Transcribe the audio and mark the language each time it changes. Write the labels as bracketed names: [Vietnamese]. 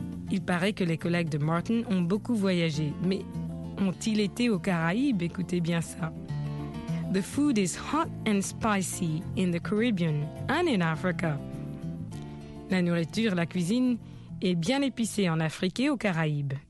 [French] Il paraît que les collègues de Martin ont beaucoup voyagé, mais ont-ils été aux Caraïbes? Écoutez bien ça. [English] The food is hot and spicy in the Caribbean and in Africa. [French] La nourriture, la cuisine, est bien épicée en Afrique et aux Caraïbes.